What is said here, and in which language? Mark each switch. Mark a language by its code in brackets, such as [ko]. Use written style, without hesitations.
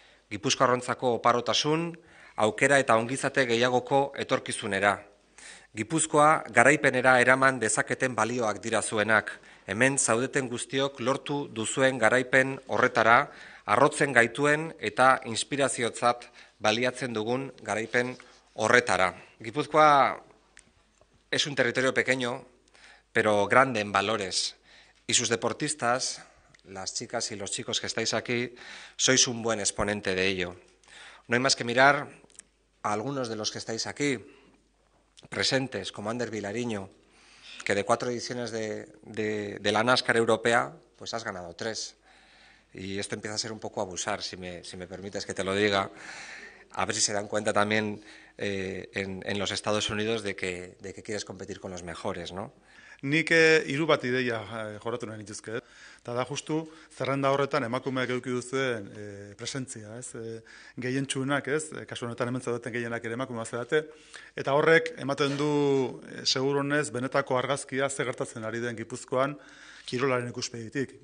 [eu] Gipuzkoarrontzako oparotasun, aukera eta ongizate gehiagoko etorkizunera. Gipuzkoa garaipenera eraman dezaketen balioak dira zuenak. Hemen zaudeten guztiok lortu duzuen garaipen horretara, arrotzen gaituen eta inspiraziotzat baliatzen dugun garaipen horretara. [es] Gipuzkoa es un territorio pequeño, pero grande en valores. Y sus deportistas, las chicas y los chicos que estáis aquí, sois un buen exponente de ello. No hay más que mirar a algunos de los que estáis aquí presentes, como Ander Vilariño, que de 4 ediciones de la NASCAR europea, pues has ganado 3. Y esto empieza a ser un poco abusar, si me permites que te lo diga. A ver si se dan cuenta también en los Estados Unidos de que quieres competir con los mejores, ¿no? [eu] Nik hiru bat ideia joratu nahi nituzke. Eta da justu zerrenda horretan emakumeak eduki duzuen presentzia, ez? Gehientsuenak, ez? Kasu honetan hemen zaudeten gehienak ere emakumeak zarete. Eta horrek ematen du segurunez benetako argazkia ze gertatzen ari den Gipuzkoan kirolaren ikuspegitik.